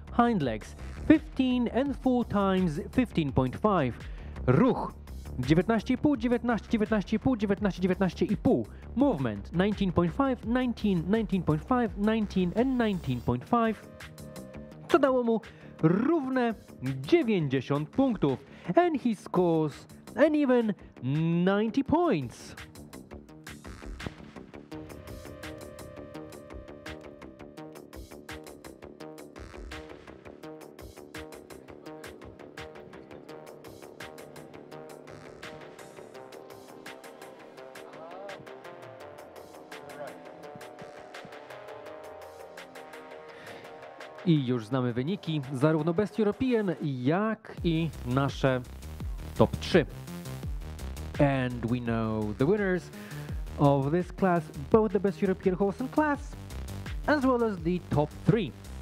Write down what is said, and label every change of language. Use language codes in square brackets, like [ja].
[en] Hind legs, 15 and 4 times 15.5. [pl] Ruch, 19,5, 19, 19,5, 19, 19,5. [en] Movement 19.5, 19, 19.5, 19 and 19.5. [pl] To dało mu równe 90 punktów. [en] And he scores an even 90 points. [pl] I już znamy wyniki, zarówno Best European, jak i nasze top 3. [en] And we know the winners of this class, both the Best European Horse and Class, as well as the top 3.